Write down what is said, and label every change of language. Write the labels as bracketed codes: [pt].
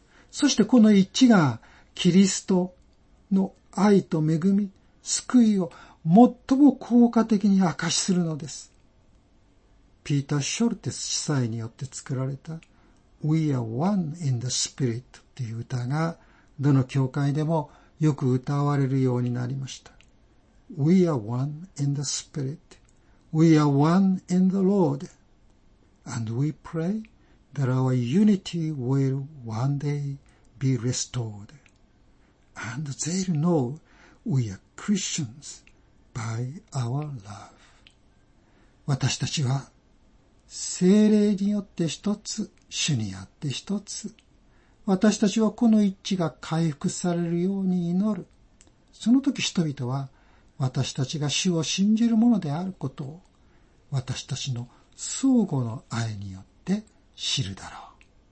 [ja] そしてこの一致がキリストの愛と恵み、救いを最も効果的に明かしするのです。ピーター・ショルテス司祭によって作られた We are one in the spirit という歌がどの教会でもよく歌われるようになりました。 [en] We are one in the spirit. We are one in the Lord, and we pray that our unity will one day be restored, and they'll know we are Christians by our love. [ja] 私たちは、聖霊によって一つ、主にあって一つ、私たちはこの一致が回復されるように祈る。その時人々は私たちが主を信じるものであることを私たちの相互の愛によって知るだろう。